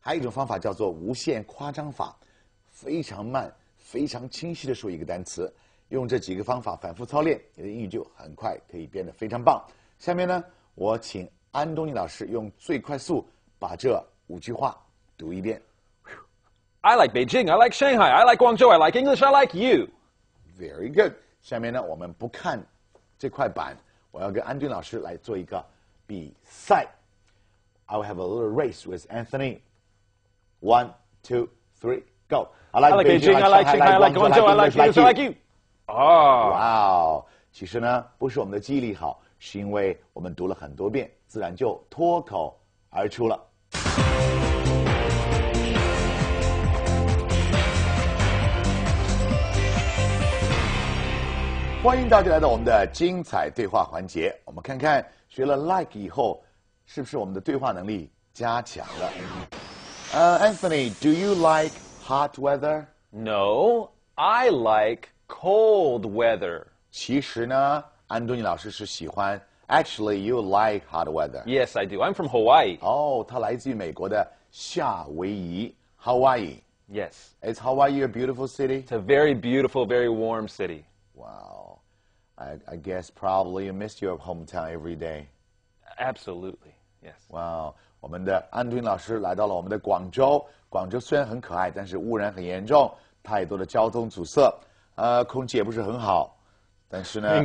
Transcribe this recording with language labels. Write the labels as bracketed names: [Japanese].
[Chinese] 还有一种方法叫做无限夸张法，非常慢非常清晰地说一个单词，用这几个方法反复操练，你的英语就很快可以变得非常棒。下面呢，我请安东尼老师用最快速把这五句话读一遍。 [English] I like Beijing, I like Shanghai, I like Guangzhou, I like English, I like you. Very good. [Chinese] 下面呢，我们不看这块板，我要跟安东尼老师来做一个比赛。 [English] I will have a little race with Anthony. 1, 2, 3, go. I like Beijing, I like Shanghai, I like Guangzhou, I like English, I like you. Oh. Wow. [Chinese] 其实呢，不是我们的记忆力好，是因为我们读了很多遍，自然就脱口而出了。欢迎大家来到我们的精彩对话环节，我们看看学了 like 以后，是不是我们的对话能力加强了。 [English] Anthony, do you like hot weather? No, I like cold weather. [Chinese] 其实呢，安东尼老师是喜欢。 [English] Actually, you like hot weather. Yes, I do. I'm from Hawaii. [Chinese] Oh, 他来自于美国的夏威夷 ,Hawaii. [English] Yes. Is Hawaii a beautiful city? It's a very beautiful, very warm city. Wow. I guess probably you miss your hometown every day. Absolutely, yes. Wow. [Chinese] 我们的安东尼老师来到了我们的广州。广州虽然很可爱，但是污染很严重，太多的交通阻塞，空气也不是很好。但是呢，